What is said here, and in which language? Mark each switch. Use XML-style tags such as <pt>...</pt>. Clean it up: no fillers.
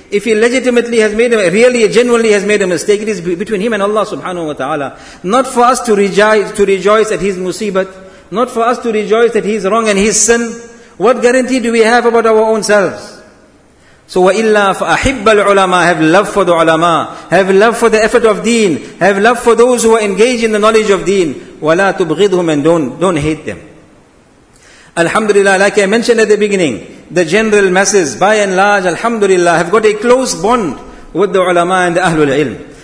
<en>If he legitimately has made a mistake, really, genuinely has made a mistake, it is between him and Allah subhanahu wa ta'ala. Not for us to rejoice at his musibat. Not for us to rejoice that he is wrong and his sin. What guarantee do we have about our own selves?</en> <ar>So, وَإِلَّا فَأَحِبَّ الْعُلَمَا.</ar> <en>Have love for the ulama. Have love for the effort of deen. Have love for those who are engaged in the knowledge of deen.</en> <ar>وَلَا تُبْغِضْهُمْ.</ar> <en>And don't hate them. Alhamdulillah, like I mentioned at the beginning, the general masses, by and large, alhamdulillah, have got a close bond with the ulama and the ahlul ilm.</en>